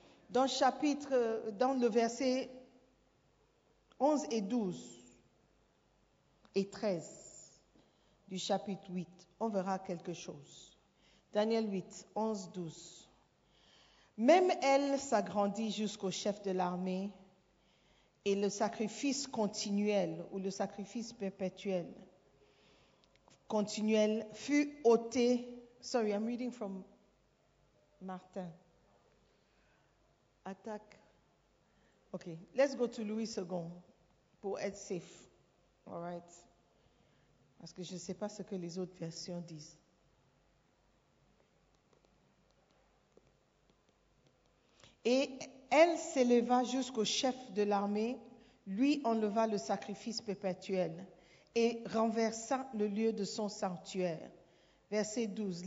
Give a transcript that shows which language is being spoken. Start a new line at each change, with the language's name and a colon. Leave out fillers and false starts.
French: Dans le chapitre, dans le verset 11 et 12 et 13 du chapitre 8, on verra quelque chose. Daniel 8, 11, 12. Même elle s'agrandit jusqu'au chef de l'armée et le sacrifice continuel ou le sacrifice perpétuel continuel fut ôté.
English: Sorry, I'm reading from Martin. Attack. Ok, let's go to Louis II
French: pour être
English: safe. All right.
French: Parce que je ne sais pas ce que les autres versions disent. Et elle s'éleva jusqu'au chef de l'armée, lui enleva le sacrifice perpétuel et renversa le lieu de son sanctuaire. Verset 12.